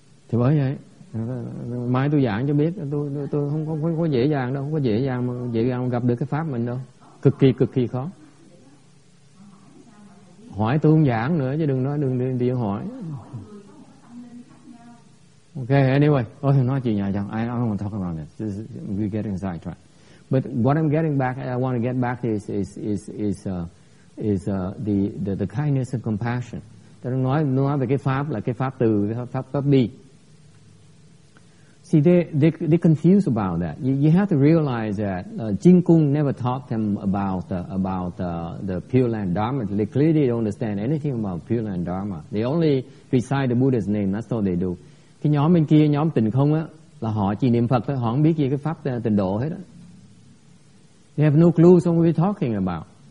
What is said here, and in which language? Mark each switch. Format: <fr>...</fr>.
<vi>Thì bởi vậy mai tôi giảng cho biết, tôi không có dễ dàng đâu, không có dễ dàng gặp được cái pháp mình đâu, cực kỳ khó. Hỏi tôi không giảng nữa chứ đừng điện hỏi. Ok, anyway, thôi nói chuyện nhà chồng.</vi> <en>I don't want to talk about it. We're getting sidetracked. But what I'm getting back, I want to get back is the kindness and compassion.</en> <vi>Tôi nói về cái pháp là cái pháp từ, pháp bi.</vi> <en>See, they confused about that. You have to realize that Jin Kung never taught them about the Pure Land Dharma. They clearly don't understand anything about Pure Land Dharma. They only recite the Buddha's name. That's all they do.</en> <vi>Cái nhóm bên kia, nhóm tịnh không á, là họ chỉ niệm Phật thôi, họ không biết gì cái pháp tịnh độ hết á.</vi> <en>They have no clue what we're talking about.</en>